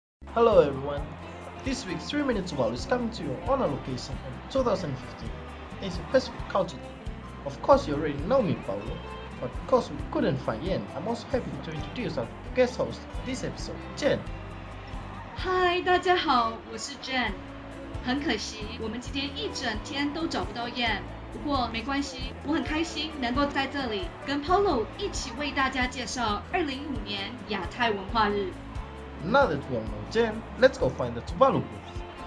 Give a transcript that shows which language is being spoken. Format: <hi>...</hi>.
<en>coming to Tuvalu is coming to your honor location in 2015. It's a festival culture day. Of course, you already know me, Paulo, but because we couldn't find Yen, I'm also happy to introduce our guest host for this episode, Jen.</en> <zh>Hi, 大家好，我是 Jen。很可惜，我们今天一整天都找不到 Yen。不过没关系，我很开心能够在这里跟 Paulo 一起为大家介绍2015年亚太文化日。</zh> <en>Now that we all know Jen, let's go find the Tuvalu booth.</en>